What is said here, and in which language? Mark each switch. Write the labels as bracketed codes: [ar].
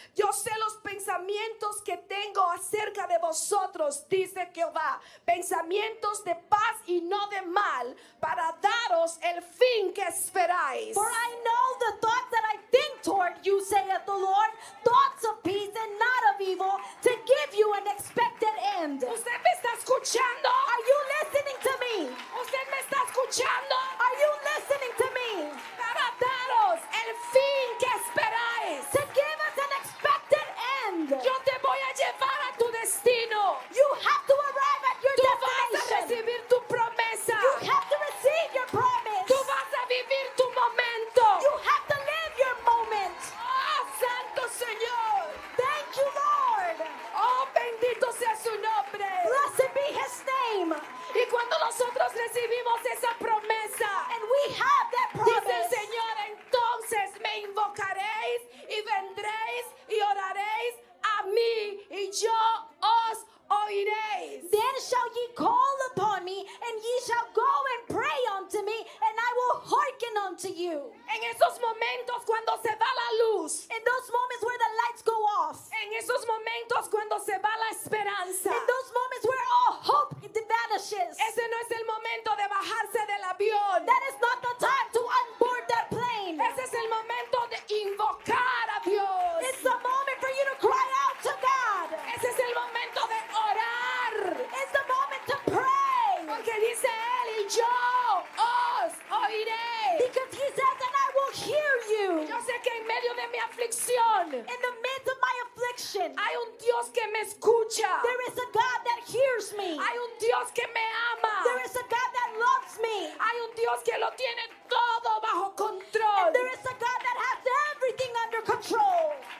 [es] Yo sé los pensamientos que tengo acerca de vosotros, dice Jehová. Pensamientos de paz y no de mal, para daros el fin que esperáis. [en] For I know the thoughts that I think toward you, saith the Lord. Thoughts of peace and not of evil, to give you an expected end. [es] ¿Usted me está escuchando? [en] Are you listening to me? [es] ¿Usted me está escuchando? [en] Are you listening to me? [es] Para daros el fin que esperáis. [en] To give us an expected end. [es] Yo te voy a llevar a tu destino. [en] You have to arrive at your [es] tú [en] destination. [es] Tú vas a recibir tu promesa. [en] You have to receive your promise. [es] Tú vas a vivir tu momento. [en] You have to live your moment. [es] Oh, Santo Señor. [en] Thank you, Lord. [es] Oh, bendito sea su nombre. [en] Blessed be his name. [es] Y cuando nosotros recibimos esa promesa, [en] and we have that promise, [es] dice el Señor, entonces me invocaréis y vendréis y oraréis a mí y yo os oiréis. [en] Then shall ye call upon me, and ye shall go and pray unto me, and I will hearken unto you. [es] En esos momentos cuando se va la luz, [en] in those moments where the lights go off, [es] en esos momentos cuando se va la esperanza, [en] in those moments where all hope vanishes, [es] ese no es el momento de bajarse del avión, [en] that is not the time to onboard that plane. [es] Ese es el momento de invocar a Dios. [en] It's the moment for you to cry out to God. [es] Ese es el momento de orar. [en] It's the moment to pray. [es] Porque dice él y yo os oiré. [en] Because he says, and I will hear you. [es] Yo sé que en medio de mi aflicción, [en] in the midst of my affliction, [es] hay un Dios que me escucha. [en] There is a God that hears me. [es] Hay un Dios que me ama. [en] There is a God that loves me. [es] Hay un Dios que lo tiene todo bajo control. [en] And there is a God that has everything under control.